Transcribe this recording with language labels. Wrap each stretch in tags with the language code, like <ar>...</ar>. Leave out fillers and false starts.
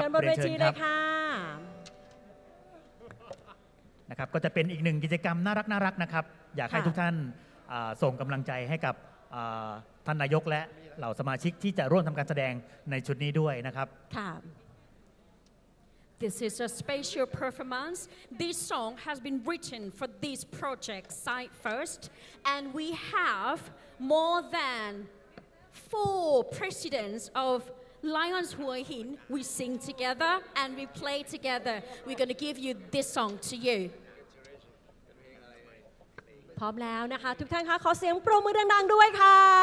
<th>เรียนเชิญบนเวทีเลยค่ะ นะครับก็จะเป็นอีกหนึ่งกิจกรรมน่ารักน่ารักนะครับอยากให้ทุกท่านส่งกำลังใจให้กับท่านนายกและเหล่าสมาชิกที่จะร่วมทำการแสดงในชุดนี้ด้วยนะครับ ค่ะ</th> <en>This is a special performance. This song has been written for this project Site First and we have more than 4 presidents of Lions Hua Hin. We sing together and we play together. We're going to give you this song to you</en> <th>พร้อมแล้วนะคะทุกท่านคะขอเสียงปรบมือดังๆด้วยค่ะ</th>